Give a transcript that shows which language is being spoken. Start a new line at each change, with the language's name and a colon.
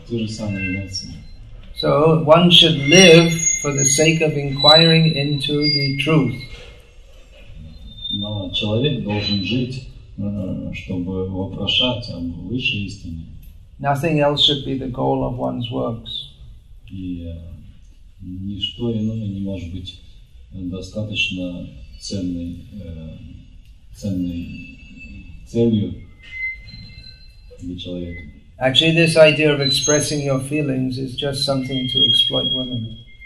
English: So one should live for the sake of inquiring into the truth.
Russian: Но человек должен жить, чтобы вопрошать о высшей истине.
English: Nothing else should be the goal of one's works.
Russian: И ничто иное не может быть достаточно ценной целью для человека.
English: Actually, this idea of expressing your feelings is just something to exploit women.